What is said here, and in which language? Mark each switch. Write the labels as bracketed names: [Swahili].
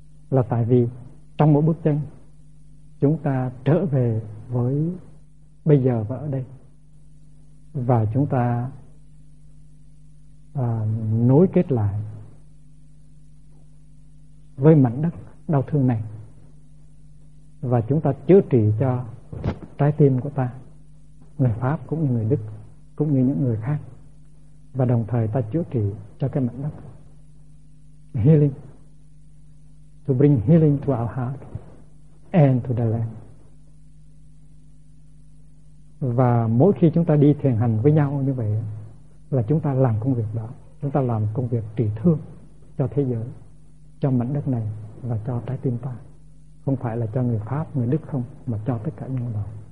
[Vietnamese] Là tại vì trong mỗi bước chân chúng ta trở về với bây giờ và ở đây, và chúng ta nối kết lại với mảnh đất đau thương này, và chúng ta chữa trị cho trái tim của ta, người Pháp cũng như người Đức cũng như những người khác, và đồng thời ta chữa trị cho cái mảnh đất. [English] Healing, to bring healing to our heart and to the land. [Vietnamese] Và mỗi khi chúng ta đi thiền hành với nhau như vậy là chúng ta làm công việc đó, chúng ta làm công việc trị thương cho thế giới, cho mảnh đất này và cho trái tim ta, không phải là cho người Pháp, người Đức không, mà cho tất cả những người.